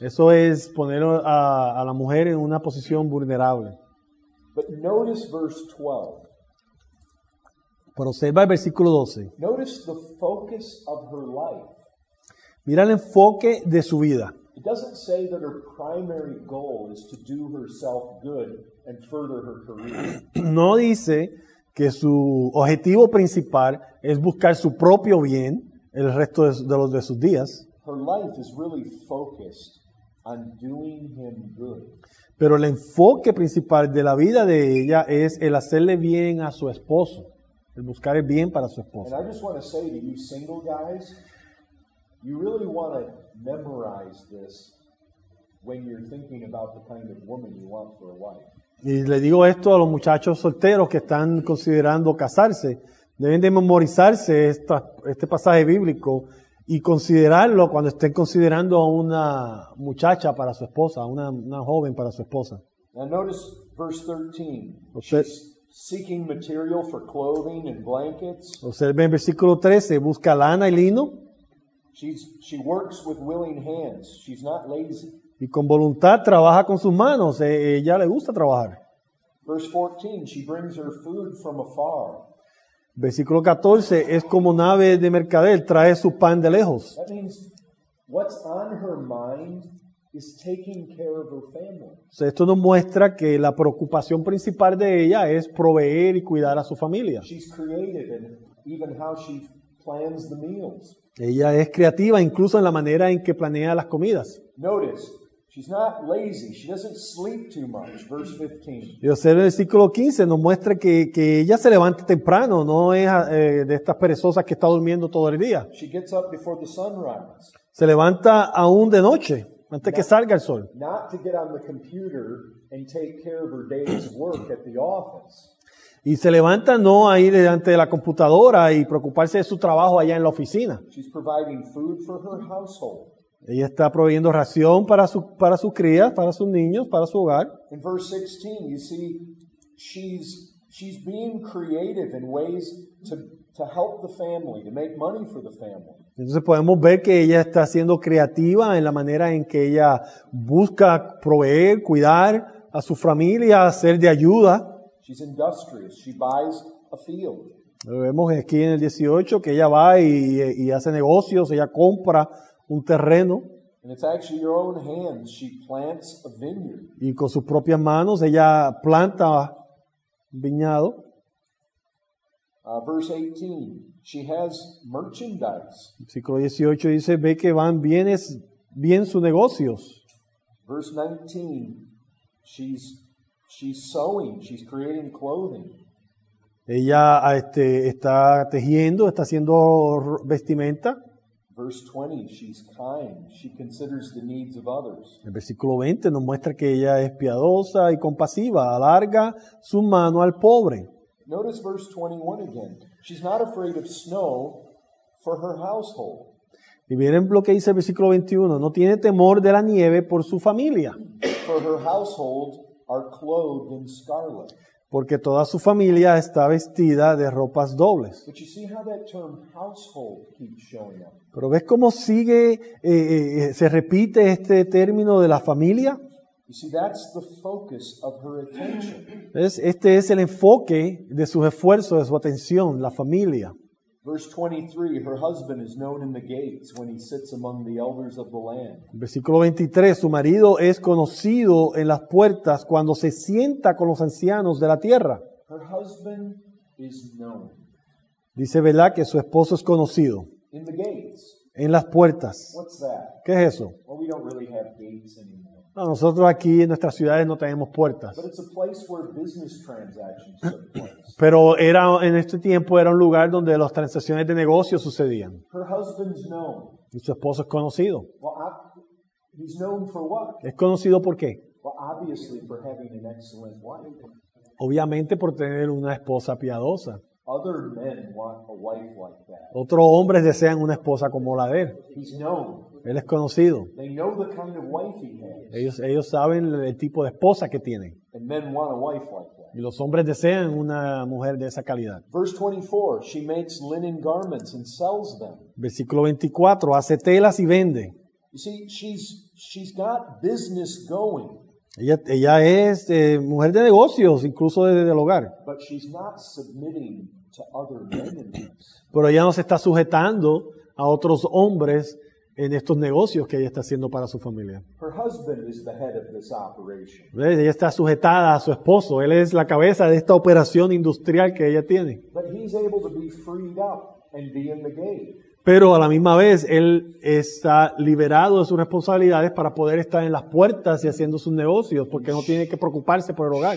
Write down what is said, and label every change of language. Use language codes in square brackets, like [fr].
[es] Eso es poner a la mujer en una posición vulnerable. [en] But notice verse 12. [es] Pero observa el versículo 12. [en] Notice the focus of her life. [es] Mira el enfoque de su vida. [en] It doesn't say that her primary goal is to do herself good and further her career. [es] No dice que su objetivo principal es buscar su propio bien el resto de sus días. [en] Her life is really focused on doing him good. [es] Pero el enfoque principal de la vida de ella es el hacerle bien a su esposo, el buscar el bien para su esposo. [en] And I just want to say to you single guys, you really want to memorize this when you're thinking about the kind of woman you want for a wife. [es] Y le digo esto a los muchachos solteros que están considerando casarse. Deben de memorizarse este pasaje bíblico y considerarlo cuando estén considerando a una muchacha para su esposa, una joven para su esposa. [en] Now notice verse 13. She's seeking material for clothing and blankets. [es] Observe en versículo 13, busca lana y lino. [en] She works with willing hands. She's not lazy. [es] Y con voluntad trabaja con sus manos. Ella le gusta trabajar. [en] Verse 14, she brings her food from afar. [es] Versículo 14, es como nave de mercader, trae su pan de lejos. [en] That means what's on her mind is taking care of her family. [es] So, esto nos muestra que la preocupación principal de ella es proveer y cuidar a su familia. [en] She's creative in even how she plans the meals. [es] Ella es creativa incluso en la manera en que planea las comidas. [en] Notice, she's not lazy. She doesn't sleep too much. Verse 15. [es] Y observe el versículo 15 nos muestra que ella se levanta temprano, no es de estas perezosas que está durmiendo todo el día. [en] She gets up before the sun rises. [es] Se levanta aún de noche, antes que salga el sol. [en] Not to get on the computer and take care of her day's work at the office. [es] Y se levanta no a ir delante de la computadora y preocuparse de su trabajo allá en la oficina. [en] She's providing food for her household. [es] Ella está proveyendo ración para su cría, para sus niños, para su hogar. [en] In verse 16, you see, she's being creative in ways to help the family, to make money for the family. [es] Entonces podemos ver que ella está siendo creativa en la manera en que ella busca proveer, cuidar a su familia, ser de ayuda. [en] She's industrious. She buys a field. [es] Vemos aquí en el 18 que ella va y hace negocios, ella compra un terreno. [en] And it's actually your own hands. She plants a vineyard. [es] Y con sus propias manos ella planta viñado. [en] Verse 18. She has merchandise. [es] Versículo 18 dice, ve que van bienes, bien sus negocios. [en] Verse 19, she's sewing, she's creating clothing. [es] Ella está tejiendo, está haciendo vestimenta. [en] Verse 20, she's kind, she considers the needs of others. [es] El versículo 20 nos muestra que ella es piadosa y compasiva, alarga su mano al pobre. [en] Notice verse 21 again. She's not afraid of snow for her household. [es] Y miren lo que dice el versículo 21. No tiene temor de la nieve por su familia. [en] For her household are clothed in scarlet. [es] Porque toda su familia está vestida de ropas dobles. [en] But you see how that term household keeps showing up. [es] Pero ves cómo sigue, se repite este término de la familia. [en] You see, that's the focus of her attention. [es] Este es el enfoque de sus esfuerzos, de su atención, la familia. [en] Verse 23, her husband is known in the gates when he sits among the elders of the land. [es] Versículo 23, su marido es conocido en las puertas cuando se sienta con los ancianos de la tierra. [en] Her husband is known. [es] Dice, ¿verdad? Que su esposo es conocido. [en] In the gates. [es] En las puertas. [en] What's that? [es] ¿Qué es eso? [en] Well, we don't really have gates anymore. [es] No, nosotros aquí en nuestras ciudades no tenemos puertas. [en] But it's a place where business transactions took place. [es] Pero era, en este tiempo era un lugar donde las transacciones de negocios sucedían. [en] Her husband's known. [es] Y su esposo es conocido. [en] Well, he's known for what? [es] ¿Es conocido por qué? [en] Well, obviously for having an excellent wife. [es] Obviamente por tener una esposa piadosa. [en] Other men want a wife like that. [es] Otros hombres desean una esposa como la de él. [en] He's known. [es] Él es conocido. [en] They know the kind of wife he has. [es] Ellos saben el tipo de esposa que tienen. [en] And men want a wife like that. [es] Y los hombres desean una mujer de esa calidad. [en] Verse 24, she makes linen garments and sells them. [es] Versículo 24, hace telas y vende. [en] You see, she's got business going. [es] Ella es mujer de negocios, incluso desde el hogar. [en] But she's not submitting to other men in this. [es] Pero ella no se está sujetando a otros hombres en estos negocios que ella está haciendo para su familia. [en] Her husband is the head of this operation. [es] ¿Ves? Ella está sujetada a su esposo. Él es la cabeza de esta operación industrial que ella tiene. But he's able to be freed up and be in the game. Pero a la misma vez, él está liberado de sus responsabilidades para poder estar en las puertas y haciendo sus negocios, porque no tiene que preocuparse por el hogar.